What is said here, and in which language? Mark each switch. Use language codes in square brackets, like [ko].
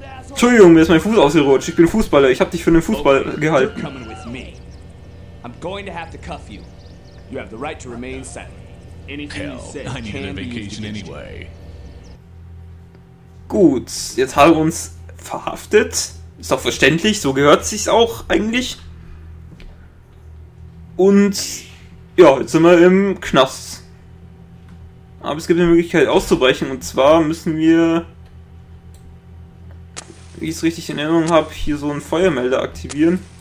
[de] Entschuldigung, mir ist mein Fuß ausgerutscht. Ich bin Fußballer, ich habe dich für einen Fußball gehalten. [en] I'm going to have to cuff you. You have the right to remain silent. Anything you say can be used against you. [de] Gut, jetzt haben wir uns verhaftet. Ist doch verständlich, so gehört sich's auch eigentlich. Und ja, jetzt sind wir im Knast. Aber es gibt eine Möglichkeit auszubrechen und zwar müssen wir, wie ich es richtig in Erinnerung habe, hier so einen Feuermelder aktivieren.